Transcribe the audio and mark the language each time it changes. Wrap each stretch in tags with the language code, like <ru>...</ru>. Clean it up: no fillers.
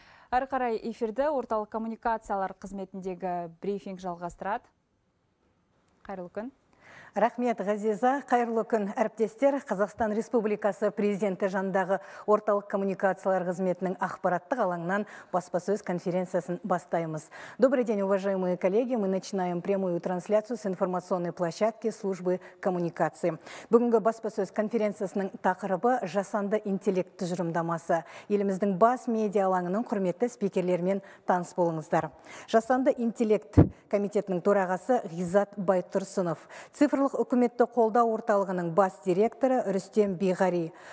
<kk>Ары қарай эфирді орталық коммуникациялар қызметіндегі брифинг жалғастырады. Қайырлы күн. Рахмет, ғазиза. Қайырлы күн, әріптестер. Қазақстан Республикасы президенті жандағы орталық коммуникациялар қызметінің ақпараттық алаңынан баспасөз конференциясын бастаймыз.</kk> <ru>Добрый день, уважаемые коллеги. Мы начинаем прямую трансляцию с информационной площадки службы коммуникации.</ru> <kk>Бүгінгі баспасөз конференциясының тақырыбы жасанды интеллект тұжырымдамасы. Еліміздің бас медиа алаңының құрметті спикерлерімен таныс болыңыздар. Жасанды интеллект комитетінің төрағасы Ғизат Байтұрсынов. Цифрлық үкіметті қолдау орталығының бас директоры Рүстем Биғари.</kk>